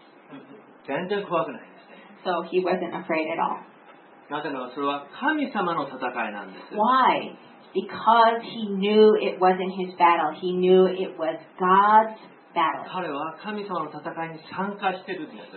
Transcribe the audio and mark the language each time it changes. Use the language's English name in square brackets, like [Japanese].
[English] Picture, do you have a picture? [Japanese] 全然怖くないですね。 [English] So he wasn't afraid at all. [Japanese] なぜならそれは神様の戦いなんです。 [English] Why? Because he knew it wasn't his battle. He knew it was God's battle. [Japanese] 彼は神様の戦いに参加してるんです。